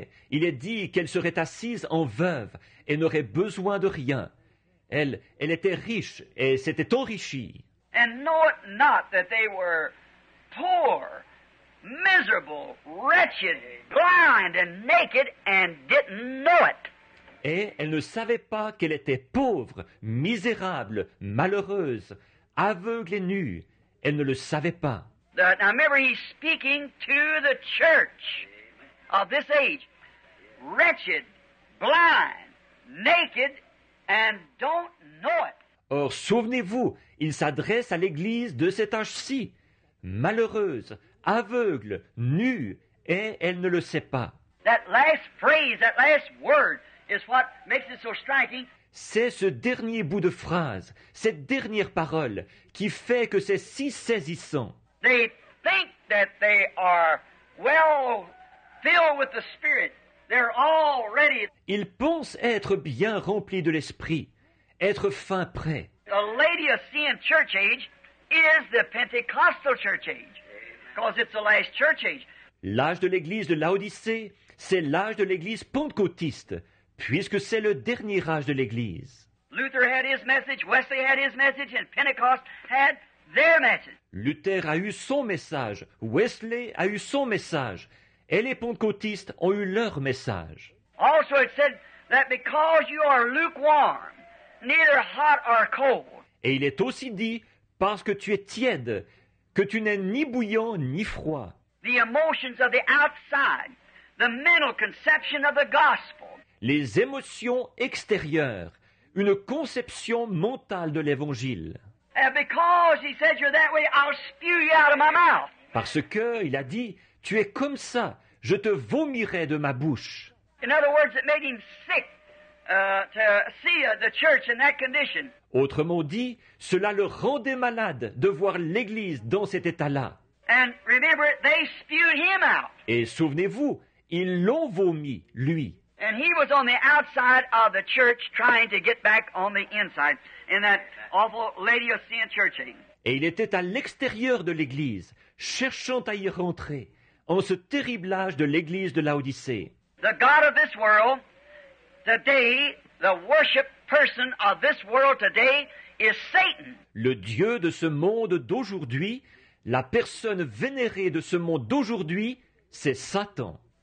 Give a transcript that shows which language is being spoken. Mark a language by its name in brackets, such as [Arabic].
[French] Il est dit qu'elle serait assise en veuve et n'aurait besoin de rien. Elle était riche et s'était enrichie. [English] And know it not that they were poor, miserable, wretched, blind and naked and didn't know it. [French] Et elle ne savait pas qu'elle était pauvre, misérable, malheureuse, aveugle et nue. Elle ne le savait pas. [English] Now remember, he's speaking to the church of this age, wretched, blind, naked, and don't know it. [French] Or, souvenez-vous, il s'adresse à l'église de cet âge-ci, malheureuse, aveugle, nue, et elle ne le sait pas. [English] That last phrase, that last word, is what makes it so striking. [French] C'est ce dernier bout de phrase, cette dernière parole, qui fait que c'est si saisissant. [English] They think that they are well filled with the Spirit. They're all ready. [French] Ils pensent être bien remplis de l'Esprit, être fin prêt. [English] The Laodicean church age is the Pentecostal church age, because it's the last church age. [French] L'âge de l'église de Laodicée, c'est l'âge de l'église pentecôtiste, puisque c'est le dernier âge de l'église. [English] Luther had his message, Wesley had his message, and Pentecost had their message. [French] Luther a eu son message, Wesley a eu son message, et les pentecôtistes ont eu leur message. [English] Also it said that because you are lukewarm, neither hot or cold. [French] Et il est aussi dit, parce que tu es tiède, que tu n'es ni bouillant ni froid. [English] The emotions of the outside, the mental conception of the gospel. [French] Les émotions extérieures, une conception mentale de l'Évangile. [English] And because he said you're that way, I'll spew you out of my mouth. [French] Parce que, il a dit, tu es comme ça, je te vomirai de ma bouche. [English] In other words, it made him sick to see the church in that condition. [French] Autrement dit, cela le rendait malade de voir l'église dans cet état-là. [English] And remember, they spewed him out. [French] Et souvenez-vous, ils l'ont vomi, lui. [English] And he was on the outside of the church trying to get back on the inside in that awful Laodicean church. [French] Et il était à l'extérieur de l'église, cherchant à y rentrer, en ce terrible âge de l'église de Laodicée. [English] The God of this world, today, the worship person of this world today is Satan. [French] Le Dieu de ce monde d'aujourd'hui, la personne vénérée de ce monde d'aujourd'hui, c'est Satan.